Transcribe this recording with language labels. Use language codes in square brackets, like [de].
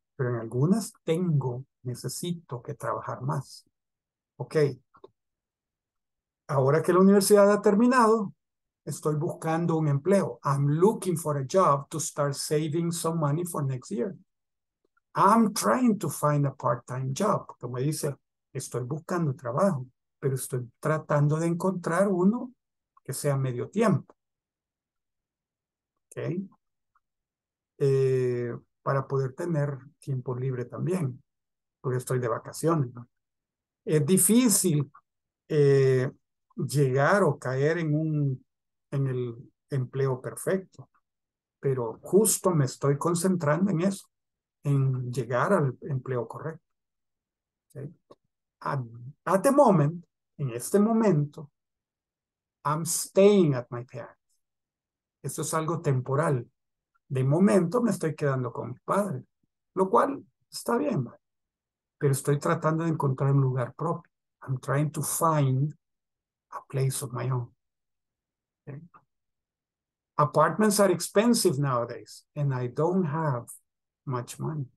[es] Pero en algunas tengo, necesito que trabajar más. Ok. Ahora que la universidad ha terminado, estoy buscando un empleo. [en] I'm looking for a job to start saving some money for next year. I'm trying to find a part-time job. [es] Como dice, estoy buscando trabajo, pero estoy tratando de encontrar uno que sea medio tiempo. Okay. Para poder tener tiempo libre también, porque estoy de vacaciones, ¿no? Es difícil llegar o caer en un en el empleo perfecto, pero justo me estoy concentrando en eso, en llegar al empleo correcto. ¿Sí? [en] At the moment, [es] en este momento, [en] I'm staying at my parents. [es] Esto es algo temporal. De momento me estoy quedando con mi padre, lo cual está bien, ¿vale? Pero estoy tratando de encontrar un lugar propio. [en] I'm trying to find a place of my own. Apartments are expensive nowadays, and I don't have much money.